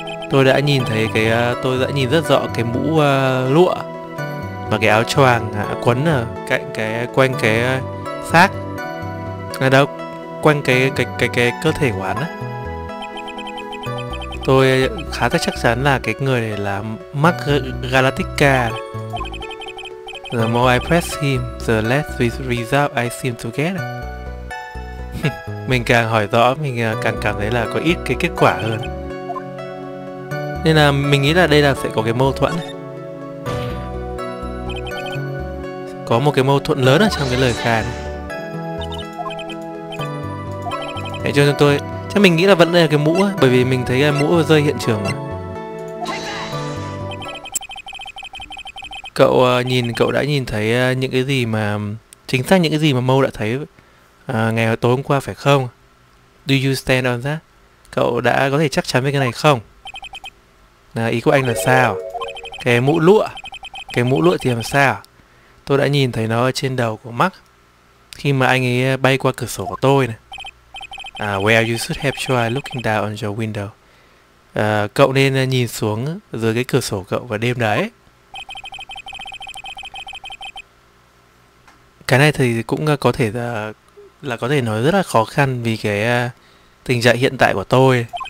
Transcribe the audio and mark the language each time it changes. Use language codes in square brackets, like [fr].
[vi] Tôi đã nhìn thấy cái tôi đã nhìn rất rõ cái mũ lụa và cái áo choàng quấn ở cạnh cái quanh cái xác ở đâu quanh cái cơ thể của hắn á. Tôi khá là chắc chắn là cái người này là Mark Galactica. [en] The more I press him, the less result I seem to get. [vi] Mình càng hỏi rõ, mình càng cảm thấy là có ít cái kết quả hơn. Nên là mình nghĩ là đây là sẽ có cái mâu thuẫn. Có một cái mâu thuẫn lớn ở trong cái lời khai này. Hãy cho chúng tôi, chắc mình nghĩ là vẫn đây là cái mũ ấy, bởi vì mình thấy cái mũ rơi hiện trường mà. Cậu nhìn, cậu đã nhìn thấy những cái gì mà, chính xác những cái gì mà Mâu đã thấy ngày tối hôm qua phải không? [en] Do you stand on that? [vi] Cậu đã có thể chắc chắn với cái này không? Ý của anh là sao? Cái mũ lụa, cái mũ lụa thì làm sao? Tôi đã nhìn thấy nó ở trên đầu của Mark khi mà anh ấy bay qua cửa sổ của tôi này. [en] Well, you should have tried looking down on your window. [vi] Cậu nên nhìn xuống dưới cái cửa sổ cậu vào đêm đấy. Cái này thì cũng có thể là có thể nói rất là khó khăn vì cái tình trạng hiện tại của tôi.